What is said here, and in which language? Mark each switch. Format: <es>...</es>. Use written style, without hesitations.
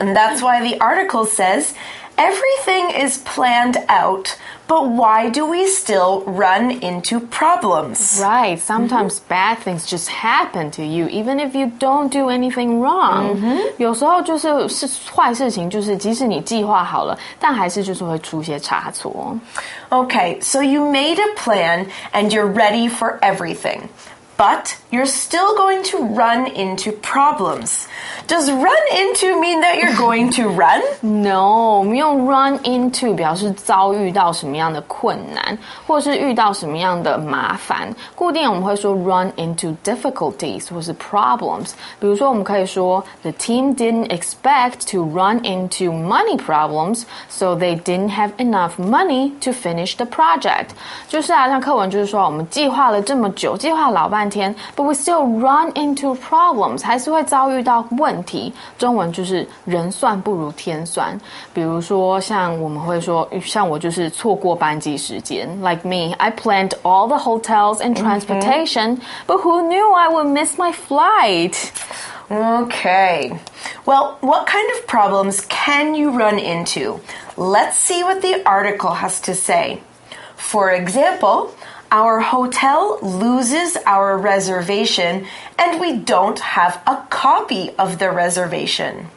<en>And that's why the article says, everything is planned out, but why do we still run into problems? Right, sometimes mm-hmm. bad things just happen to you, even if you don't do anything wrong. Mm-hmm.</en> <zh>有时候就是坏事情，就是即使你计划好了，但还是就是会出些差错。</zh> <en>Okay, so you made a plan and you're ready for everything. But you're still going to run into problems. Does run into mean that you're going to run?</en> <zh>No, 我们用 run into 表示遭遇到什么样的困难，或是遇到什么样的麻烦。固定我们会说 run into difficulties 或是 problems. 比如说我们可以说</zh> <en>the team didn't expect to run into money problems, so they didn't have enough money to finish the project.</en> <zh>就是啊，像课文就是说我们计划了这么久，计划老半天，</zh> <en>But we still run into problems,</en> <zh>还是会遭遇到问题。中文就是人算不如天算。比如说像我们会说，像我就是错过班机时间。</zh> <en>Like me, I planned all the hotels and transportation, mm-hmm. but who knew I would miss my flight? Okay. Well, what kind of problems can you run into? Let's see what the article has to say. For example,Our hotel loses our reservation, and we don't have a copy of the reservation.</en>